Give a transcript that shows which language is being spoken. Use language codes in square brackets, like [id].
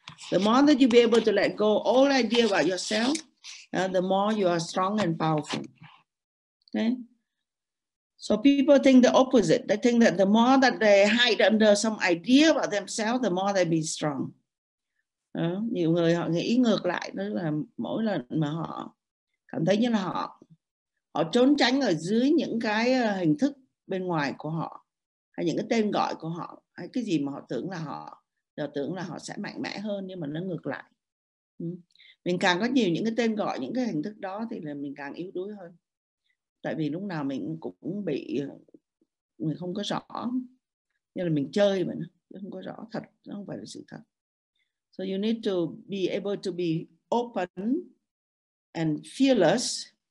[en] The more that you be able to let go all idea about yourself, the more you are strong and powerful. Okay? So people think the opposite. They think that the more that they hide under some idea about themselves, the more they be strong. [vi] Nhiều người họ nghĩ ngược lại, tức là mỗi lần mà họ cảm thấy như là họ trốn tránh ở dưới những cái hình thức bên ngoài của họ, hay những cái tên gọi của họ, hay cái gì mà họ tưởng là họ sẽ mạnh mẽ hơn, nhưng mà nó ngược lại. Mình càng có nhiều những cái tên gọi, những cái hình thức đó thì là mình càng yếu đuối hơn. Tại vì lúc nào mình cũng bị, mình không có rõ, như là mình chơi mà nó không có rõ thật, nó không phải là sự thật. [en] So you need to be able to be open and fearless.